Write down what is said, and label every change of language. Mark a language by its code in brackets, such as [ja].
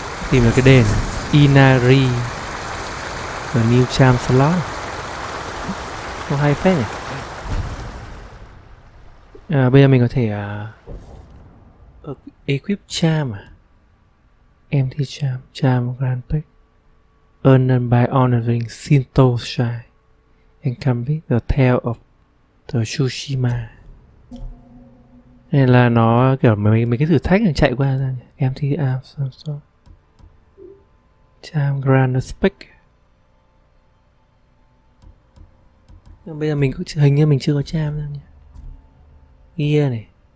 [vi] Tìm được cái đền Inari. [en] The New Charm Slot. [vi] Có hai phép nhỉ? À, bây giờ mình có thể equip charm à? [en] Empty charm, charm grand pick, earn them by honoring Shinto shrine and complete the tale of the Tsushima. [vi] Nên là nó kiểu mấy cái thử thách này chạy qua ra nhỉ? [en] Empty charm grand pick. [vi] Bây giờ mình có, hình như mình chưa có charm đâu nhỉ. Gear này.